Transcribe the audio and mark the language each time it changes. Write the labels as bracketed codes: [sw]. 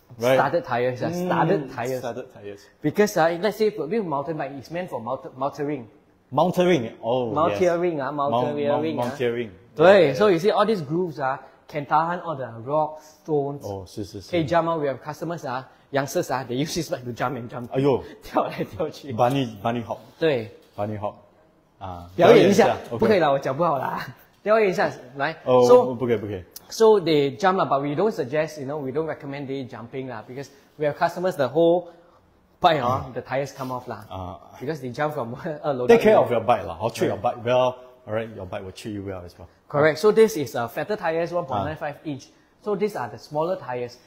[en] Because let's say for mountain bike is meant for mountaineering. Mountaineering. 对 ，so you see all these grooves can tahan all the rocks, stones. [zh] 哦，是。可以 [en] jump out. We have customers youngsters they use this bike to jump. 哎呦， [zh] 跳来跳去。 [en] Bunny hop. [zh] 对 [en] ，Bunny hop. [zh] 表演一下，不可以啦，我脚不好啦。表演一下，来。不可以。 [en] So they jump but we don't suggest, we don't recommend they jumping because we have customers the whole bike the tires come off because they jump from a load. Take care of your bike lah. Treat your bike well. Alright, your bike will treat you well as well. Correct. So this is a fatter tires, 1.95 inch. So these are the smaller tires.